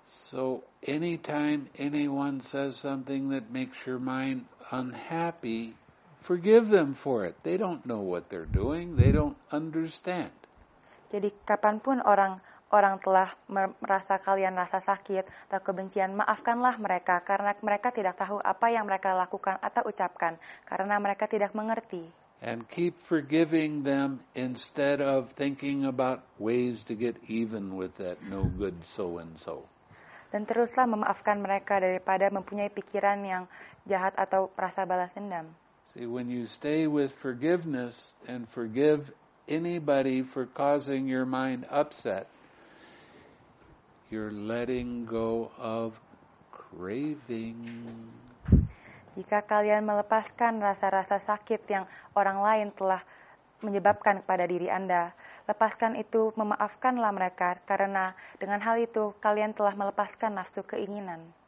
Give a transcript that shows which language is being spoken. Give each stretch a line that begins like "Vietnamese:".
English: So anytime anyone says something that makes your mind unhappy, forgive them for it. They don't know what they're doing. They don't understand.
Indonesian: Jadi kapanpun orang telah merasa kalian rasa sakit atau kebencian, maafkanlah mereka karena mereka tidak tahu apa yang mereka lakukan atau ucapkan karena mereka tidak mengerti.
English: And keep forgiving them instead of thinking about ways to get even with that no good so and so.
Indonesian: Dan teruslah memaafkan mereka daripada mempunyai pikiran yang jahat atau rasa balas dendam.
English: See, when you stay with forgiveness and forgive anybody for causing your mind upset, you're letting go of craving.
Indonesian: Jika kalian melepaskan rasa-rasa sakit yang orang lain telah menyebabkan kepada diri Anda, lepaskan itu, memaafkanlah mereka, karena dengan hal itu kalian telah melepaskan nafsu keinginan.